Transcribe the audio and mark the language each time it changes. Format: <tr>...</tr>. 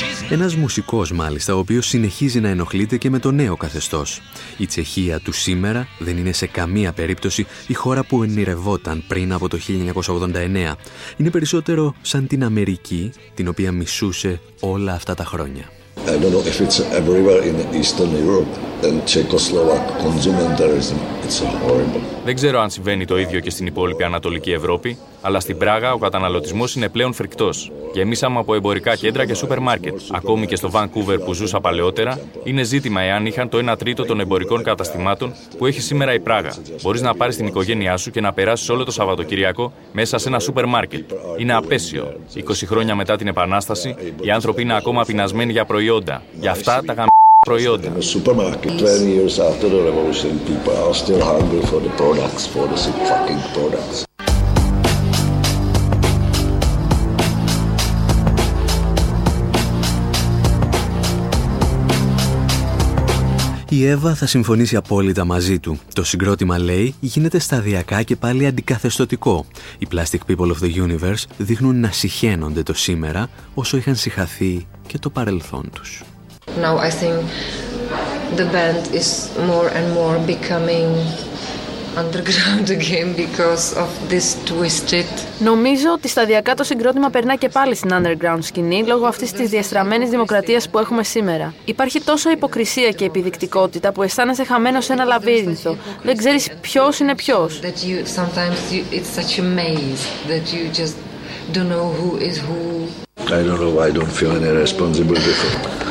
<el>Ένας μουσικός μάλιστα, ο οποίος συνεχίζει να ενοχλείται και με το νέο καθεστώς. Η Τσεχία του σήμερα δεν είναι σε καμία περίπτωση η χώρα που ενηρευόταν πριν από το 1989. Είναι περισσότερο σαν την Αμερική, την οποία μισούσε όλα αυτά τα χρόνια.</el> <en>I don't know if it's everywhere in Eastern Europe and Czechoslovak consumerism. It's horrible.</en> <el>Δεν ξέρω αν συμβαίνει το ίδιο και στην υπόλοιπη Ανατολική Ευρώπη, αλλά στην Πράγα ο καταναλωτισμός είναι πλέον φρικτός. Γεμίσαμε από εμπορικά κέντρα και σούπερ μάρκετ. Ακόμη και στο Vancouver που ζούσα παλαιότερα, είναι ζήτημα εάν είχαν το 1/3 των εμπορικών καταστημάτων που έχει σήμερα η Πράγα. Μπορείς να πάρεις την οικογένειά σου και να περάσεις όλο το Σαββατοκύριακο μέσα σε ένα σούπερ μάρκετ. Είναι απέσιο. 20 χρόνια μετά την Επανάσταση, οι άνθρωποι είναι ακόμα πεινασμένοι για προϊόντα. Γι' αυτά τα προϊόντα.</el> <en>In a supermarket, 20 years after the revolution, people are still hungry for the products, for the fucking products.</en> <el>Η Εύα θα συμφωνήσει απόλυτα μαζί του. Το συγκρότημα, λέει, γίνεται σταδιακά και πάλι αντικαθεστωτικό. Οι Plastic People of the Universe δείχνουν να συχαίνονται το σήμερα όσο είχαν συχαθεί και το παρελθόν τους.</el> <en>Now I think the band is more and more becoming underground again because of this twisted.</en> <el>Νομίζω ότι σταδιακά το συγκρότημα περνά και πάλι στην underground σκηνή λόγω αυτής της διαστραμμένης δημοκρατίας που έχουμε σήμερα. Υπάρχει τόσο υποκρισία και επιδεικτικότητα που αισθάνεσαι χαμένος σε ένα λαβύρινθο. Δεν ξέρεις ποιος είναι ποιος.</el> <en>Sometimes it's such a maze that you just don't know who is who. I don't know why I don't feel any responsibility for.</en>